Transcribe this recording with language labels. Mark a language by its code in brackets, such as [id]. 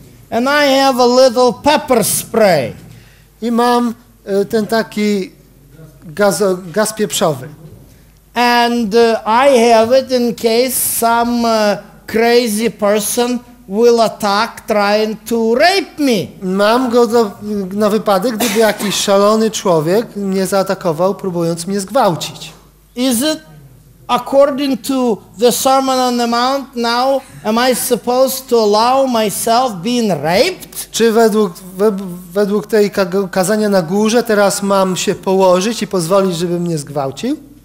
[en] And I have a little pepper spray. [pl] I mam ten taki gaz pieprzowy. [en] And I have it in case some crazy person will attack trying to rape me. [pl] Mam go na wypadek, gdyby jakiś szalony człowiek mnie zaatakował, próbując mnie zgwałcić. [en] Is it according to the Sermon on the Mount now, am I supposed to allow myself being raped? [pl] Czy według tej kazania na górze teraz mam się położyć i pozwolić, żeby mnie zgwałcił?